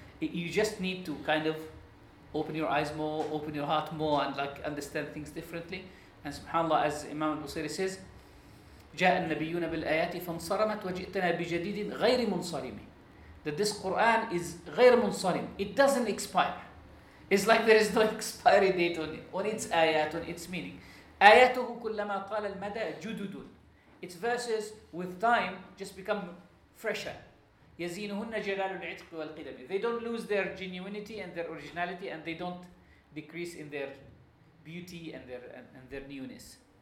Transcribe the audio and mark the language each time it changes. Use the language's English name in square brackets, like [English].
[English] You just need to kind of open your eyes more, open your heart more, and like understand things differently. And subhanAllah, as Imam al-Busiri says, [Arabic] جَاءَ النَّبِيُّونَ بِالْآيَاتِ فَانْصَرَمَتْ وَجِئْتَنَا بِجَدِيدٍ غَيْرِ مُنْصَرِمِ. [English] That this Quran is [Arabic] غير منصرم. [English] It doesn't expire. It's like there is no expiry date on it, on its ayat, on its meaning. [Arabic] آياته كلما قال المدى جدد. [English] Its verses with time just become fresher. [Arabic] يزينهن جلال العتق والقدم. [English] They don't lose their genuinity and their originality, and they don't decrease in their beauty and their newness.